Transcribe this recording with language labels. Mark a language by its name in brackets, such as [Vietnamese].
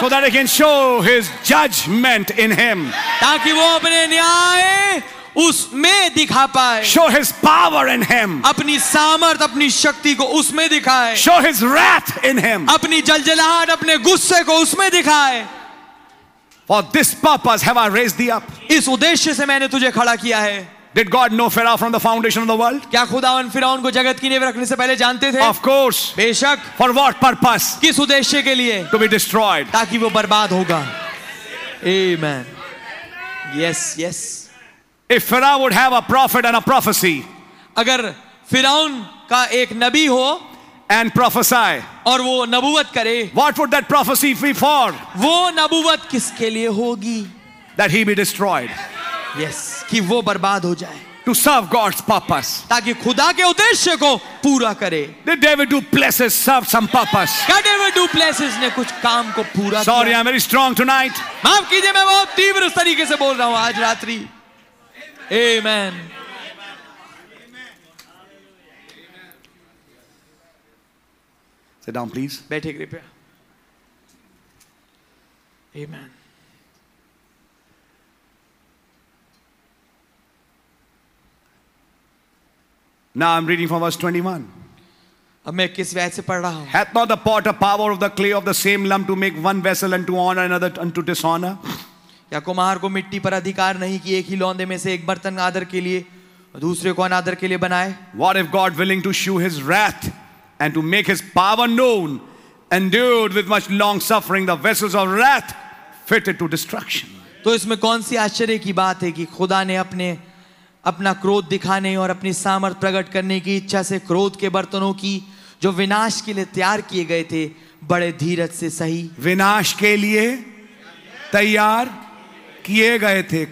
[English] So that he can show his judgment in him. [Hindi] ताकि वो अपने न्याय उसमें दिखा पाए. [English] Show his power in him. [Hindi] अपनी सामर्थ अपनी शक्ति को उसमें दिखाए. [English] Show his wrath in him. [Hindi] अपनी जलजलाहट अपने गुस्से को उसमें दिखाए. [English] For this purpose have I raised thee up. [Hindi] इस उद्देश्य से मैंने तुझे खड़ा किया है. [English] Did God know Pharaoh from the foundation of the world? [Hindi] क्या खुदावन फिराउन को जगत की नींव रखने से पहले जानते थे? [English] Of course. [Hindi] बेशक. [English] For what purpose? [Hindi] किस उद्देश्य के लिए? [English] To be destroyed. [Hindi] ताकि वो बर्बाद होगा. Amen. [English] Yes, yes. If Pharaoh would have a prophet and a prophecy. [Hindi] अगर फिराउन का एक नबी हो. [English] And prophesy. [Hindi] और वो नबुवत करे. [English] What would that prophecy be for? [Hindi] वो नबुवत किसके लिए होगी? [English] That he be destroyed. Yes. [Hindi] कि वो बर्बाद हो जाए. [English] To serve God's purpose. [Hindi] ताकि खुदा के उद्देश्य को पूरा करे. [English] Did David Duplessis serve some purpose? [Hindi] क्या David Duplessis ने कुछ काम को पूरा किया? [English] Sorry, I'm very strong tonight. [Hindi] माफ कीजिए, मैं बहुत तीव्र तरीके से बोल रहा हूँ आज रात्रि. [English] Amen. Sit down, please. [Hindi] बैठे कृपया. Amen. [English] Now I'm reading from verse 21. [Hindi] अब मैं किस वैसे पढ़ रहा हूँ? [English] Hath not the potter power of the clay of the same lump to make one vessel and to honor another unto dishonor? [Hindi] या कुम्हार को मिट्टी पर अधिकार नहीं कि एक ही लौंदे में से एक बर्तन आदर के लिए और दूसरे को अनादर के लिए बनाए? [English] What if God willing to shew His wrath? And to make his power known, endured with much long suffering, the vessels of wrath fitted to destruction. [Hindi] तो इसमें कौन सी आश्चर्य की बात है कि खुदा ने अपने अपना क्रोध दिखाने और अपनी सामर्थ प्रकट करने की इच्छा से क्रोध के बर्तनों की जो विनाश के लिए तैयार किए गए थे बड़े धीरज से सही. विनाश के लिए तैयार किए गए थे.